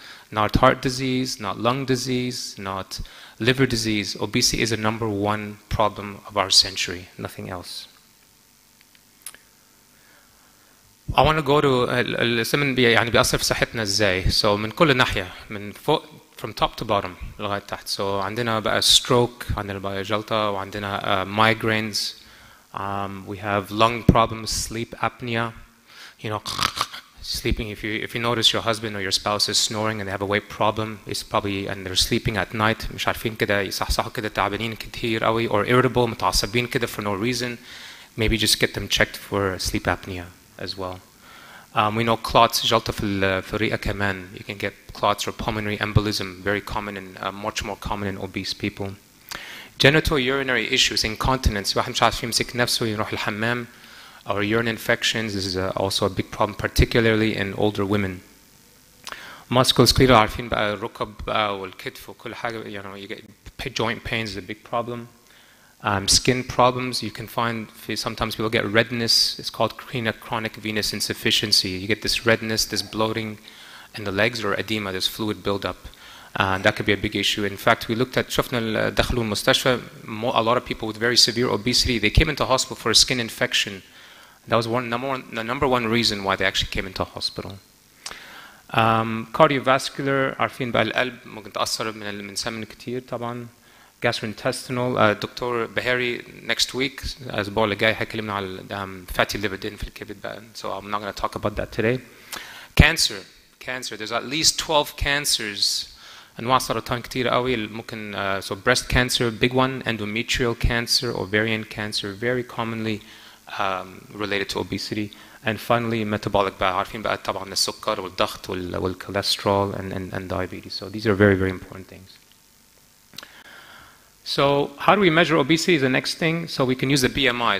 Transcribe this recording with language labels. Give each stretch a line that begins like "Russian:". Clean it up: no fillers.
English: Not heart disease, not lung disease, not liver disease. Obesity is a number one problem of our century. Nothing else. I want to go to
Arabic: السمن يعني بيأثر في صحتنا ازاي. So من كل ناحية, من فوق,
English: from top to bottom,
Arabic: لغاية تحت. So عندنا بقى stroke, عندنا بقى جلطة, وعندنا migraines.
English: We have lung problems, sleep apnea. You know, sleeping. If you notice your husband or your spouse is snoring and they have a weight problem, it's probably and they're sleeping at night.
Arabic: مش عارفين كده يصحصحوا كده تعبانين كتير قوي,
English: or irritable,
Arabic: متعصبين كده
English: for no reason. Maybe just get them checked for sleep apnea as well. We know clots,
Arabic: جلطة في الرئة كمان.
English: You can get clots or pulmonary embolism, very common and much more common in obese people. Genital urinary issues, incontinence.
Arabic: واحد مش عارف يمسك نفسه يروح الحمام.
English: Or urine infections, this is also a big problem, particularly in older women.
Arabic: Musculoskeletal, عارفين بقى الركب والكتف وكل حاجة.
English: You know, you get joint pains is a big problem. Skin problems, you can find, sometimes people get redness, it's called chronic venous insufficiency. You get this redness, this bloating in the legs or edema, this fluid buildup. That could be a big issue. In fact, we looked at,
Arabic: شفنا دخلوا المستشفى,
English: a lot of people with very severe obesity, they came into hospital for a skin infection. That was the number one reason why they actually came into hospital.
Arabic: Cardiovascular, عارفين بقى القلب ممكن تأثر من السمن كتير طبعا.
English: Gastrointestinal, Dr. Bahari next week, as Bola Gai,
Arabic: حكلمنا على
English: fatty liver din
Arabic: في الكبد,
English: so I'm not going to talk about that today. Cancer, there's at least 12 cancers,
Arabic: أنواع سرطان كتير قوي, ممكن,
English: so breast cancer, big one, endometrial cancer, ovarian cancer, very commonly related to obesity. And finally, metabolic,
Arabic: عارفين بقى طبعا السكر والضغط والكوليسترول
English: and diabetes. So these are very, very important things. So how do we measure obesity is the next thing. So we can use the BMI.